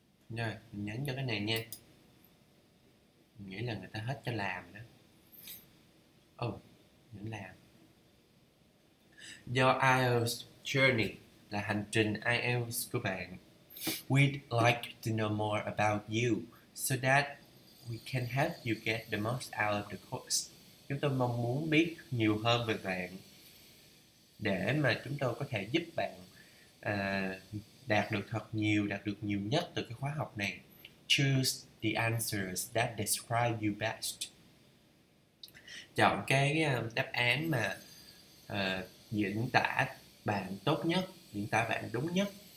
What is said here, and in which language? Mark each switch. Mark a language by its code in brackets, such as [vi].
[vi] Rồi, mình nhấn cho cái này nha. Mình nghĩ là người ta hết cho làm đó. Ồ, mình làm. [en] Your IELTS journey, [vi] là hành trình IELTS của bạn. [en] We'd like to know more about you so that we can help you get the most out of the course. [vi] Chúng tôi mong muốn biết nhiều hơn về bạn để mà chúng tôi có thể giúp bạn đạt được thật nhiều, đạt được nhiều nhất từ cái khóa học này. [en] Choose the answers that describe you best. [vi] Chọn cái đáp án mà diễn tả bạn tốt nhất, diễn tả bạn đúng nhất.